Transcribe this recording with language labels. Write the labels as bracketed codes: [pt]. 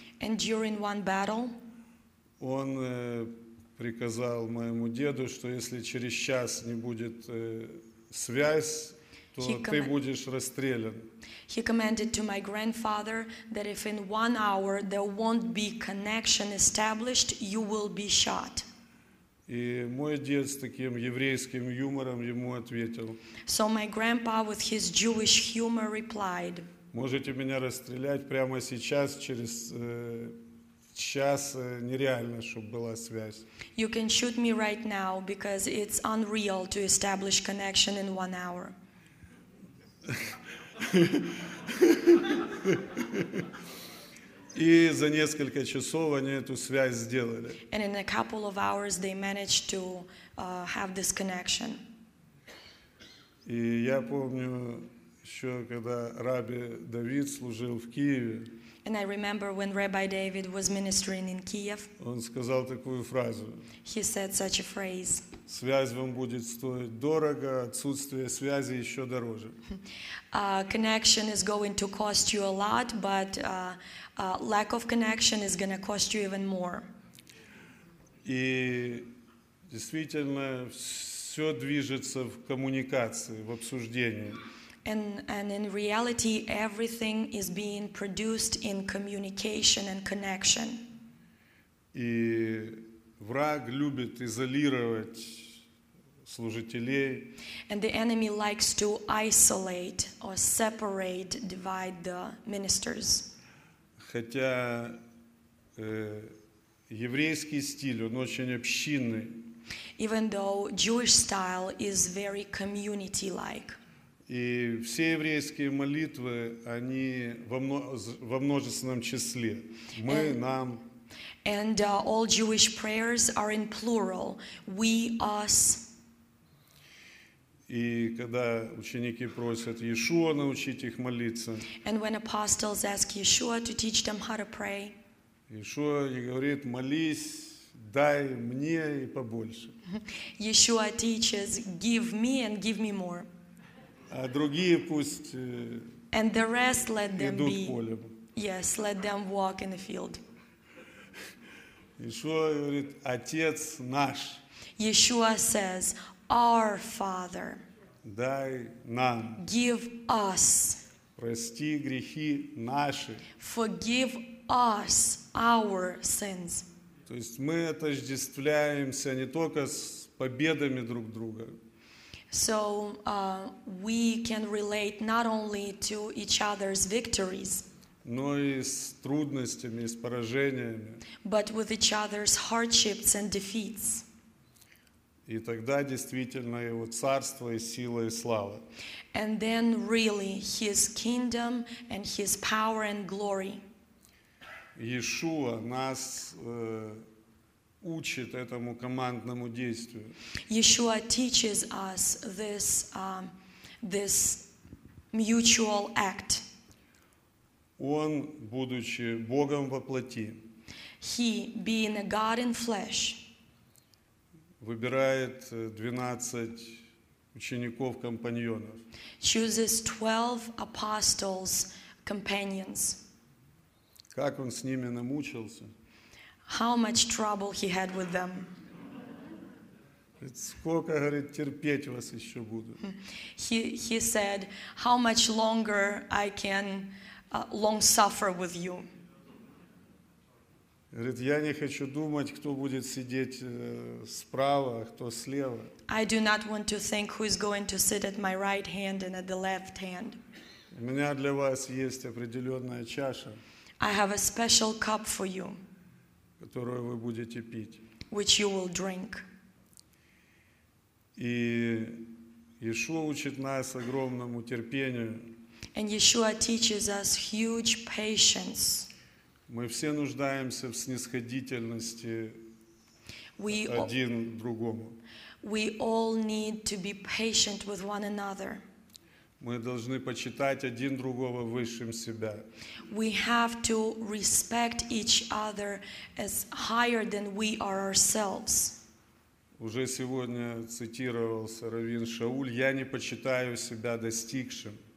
[en] And during one battle. [ru] Он приказал моему деду, что если через час не будет связь, ты будешь расстрелян. [en] He commanded to my grandfather that if in 1 hour there won't be connection established, you will be shot. [ru] И мой дед с таким еврейским юмором ему ответил. [en] So my grandpa with his Jewish humor replied. [ru] Можете меня расстрелять прямо сейчас, через час нереально, чтобы была связь. [en] You can shoot me right now because it's unreal to establish connection in 1 hour. [ru] И за несколько часов они эту связь сделали. [en] And in a couple of hours they managed to have this connection. [ru] И я помню еще, когда Рабби Давид служил в Киеве. [en] And I remember when Rabbi David was ministering in Kiev. [ru] Он сказал такую фразу. [en] He said such a phrase. [ru] Связь вам будет стоить дорого, отсутствие связи еще дороже. [en] Connection is going to cost you a lot, but lack of connection is going to cost you even more. [ru] И действительно, все движется в коммуникации, в обсуждении. [en] And in reality, everything is being produced in communication and connection. [ru] И враг любит изолировать служителей. [en] And the enemy likes to isolate or separate, divide the ministers. [ru] Хотя еврейский стиль, он очень общинный. [en] Even though Jewish style is very community-like. [ru] И все еврейские молитвы, они во множественном числе. Мы, нам. [en] And all Jewish prayers are in plural. We, us. [ru] И когда ученики просят Иешуа научить их молиться. [en] And when apostles ask Yeshua to teach them how to pray. [ru] Иешуа говорит, молись. Дай мне и побольше. [en] Yeshua teaches, give me and give me more. [ru] А другие пусть [en] and the rest let them [ru] идут [en] be. [ru] В поле. [en] Yes, let them walk in the field. [ru] Yeshua говорит, Отец наш. [en] Yeshua says, our Father. [ru] Дай нам. [en] Give us. [ru] Прости грехи наши. [en] Forgive us our sins. [ru] То есть мы отождествляемся не только с победами друг друга. [en] So we can relate not only to each other's victories. [ru] Но и с трудностями, и с поражениями. [en] But with each other's hardships and defeats. [ru] И тогда действительно его царство и сила и слава. [en] And then really his kingdom and his power and glory. [ru] Иешуа нас учит этому командному действию. [en] Yeshua teaches us this this mutual act. [ru] Он, будучи Богом во плоти, [en] He, being a God in flesh, [ru] выбирает 12 учеников-компаньонов. [en] Chooses 12 apostles companions. [ru] Как он с ними намучился? [en] How much trouble he had with them. [ru] Сколько, говорит, терпеть вас еще буду. [en] He said, how much longer I can long suffer with you. [ru] Говорит, я не хочу думать, кто будет сидеть справа, кто слева. [en] I do not want to think who is going to sit at my right hand and at the left hand. [ru] У меня для вас есть определенная чаша. [en] I have a special cup for you. [ru] Которую вы будете пить. [en] Which you will drink. [ru] И Иешуа учит нас огромному терпению. [en] And Yeshua teaches us huge patience. [ru] Мы все нуждаемся в снисходительности один другому. [en] We all need to be patient with one another. [ru] Мы должны почитать один другого высшим себя. [en] We have to respect each other as higher than we are ourselves. [ru] Уже сегодня цитировался Равин Шауль, я не почитаю себя достигшим.